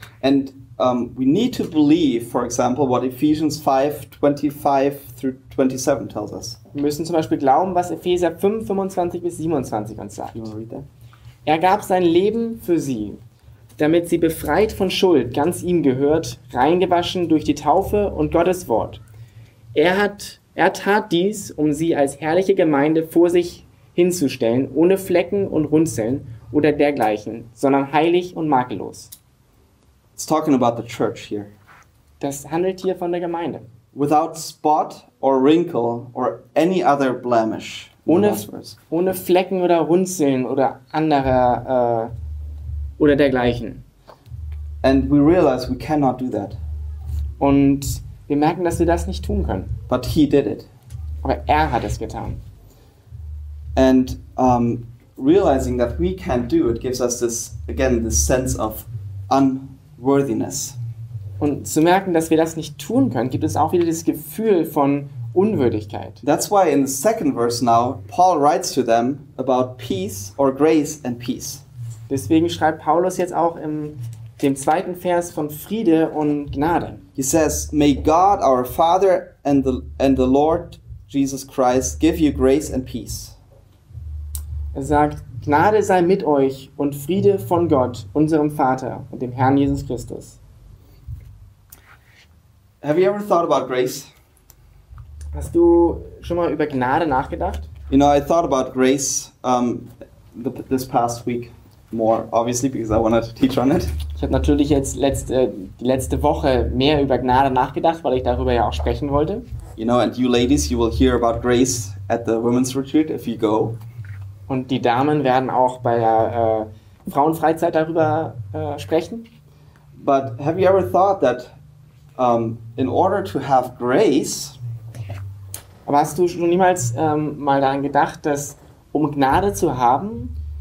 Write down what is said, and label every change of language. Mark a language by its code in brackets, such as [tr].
[en] And we need to believe, for example, what Ephesians 5:25-27 tells us. [de] Wir müssen zum Beispiel glauben, was Epheser 5:25-27 uns sagt. [en] You wanna read that? [de] Er gab sein Leben für sie, damit sie befreit von Schuld ganz ihm gehört, reingewaschen durch die Taufe und Gottes Wort. Er tat dies, um sie als herrliche Gemeinde vor sich hinzustellen, ohne Flecken und Runzeln oder dergleichen, sondern heilig und makellos. [en] It's talking about the church here. [de] Das handelt hier von der Gemeinde. [en] Without spot or wrinkle or any other blemish. [de] Ohne Flecken oder Runzeln oder andere oder dergleichen. [en] And we realize we cannot do that. [de] Und wir merken, dass wir das nicht tun können. [en] But he did it. [de] Aber er hat es getan. [en] And realizing that we can't do it gives us this, again, this sense of unworthiness. [de] Und zu merken, dass wir das nicht tun können, gibt es auch wieder das Gefühl von Unwürdigkeit. [en] That's why in the second verse now, Paul writes to them about peace or grace and peace. [de] Deswegen schreibt Paulus jetzt auch im dem zweiten Vers von Friede und Gnade. [en] He says, may God our Father and the Lord Jesus Christ give you grace and peace. [de] Er sagt, Gnade sei mit euch und Friede von Gott, unserem Vater und dem Herrn Jesus Christus. [en] Have you ever thought about grace? [de] Hast du schon mal über Gnade nachgedacht? [en] You know, I thought about grace this past week. More obviously because I wanted to teach on it. [de] Ich habe natürlich jetzt die letzte Woche mehr über Gnade nachgedacht, weil ich darüber ja auch sprechen wollte. [en] You know, and you ladies, you will hear about grace at the women's retreat if you go. [de] Und die Damen werden auch bei der Frauenfreizeit darüber sprechen. [en] But have you ever thought that in order to have grace? [de] Aber hast du schon niemals mal daran gedacht, dass um Gnade zu haben?